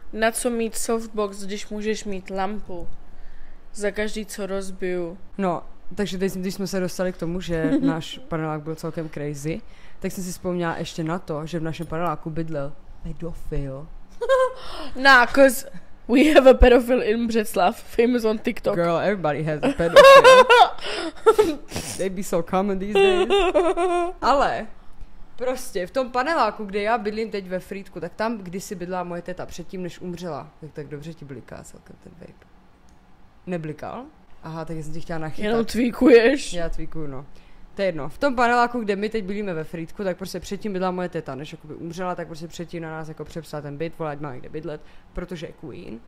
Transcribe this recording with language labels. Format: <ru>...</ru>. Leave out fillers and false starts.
<cs>Na co mít softbox, když můžeš mít lampu, za každý, co rozbiju. No, takže teď, když jsme se dostali k tomu, že náš panelák byl celkem crazy, tak jsem si vzpomněla ještě na to, že v našem paneláku bydlel pedofil.</cs> <en>Nah, cause We have a pedophile in Břeclav, famous on TikTok. Girl, everybody has a pedophile. They be so common these days.</en> <cs>Ale prostě v tom paneláku, kde já bydlím teď ve Frýdku, tak tam kdysi bydlá moje teta předtím, než umřela. Tak, tak dobře ti bliká celkem ten vape. Neblikal? Aha, tak jsem ti chtěla nachytat. Jenom tweakuješ. Já tweakuju, no. To je jedno. V tom paneláku, kde my teď bydlíme ve Frýdku, tak prostě předtím bydla moje teta, než jakoby umřela, tak prostě předtím na nás jako přepsala ten byt, volá, ať má kde bydlet, protože je queen.</cs>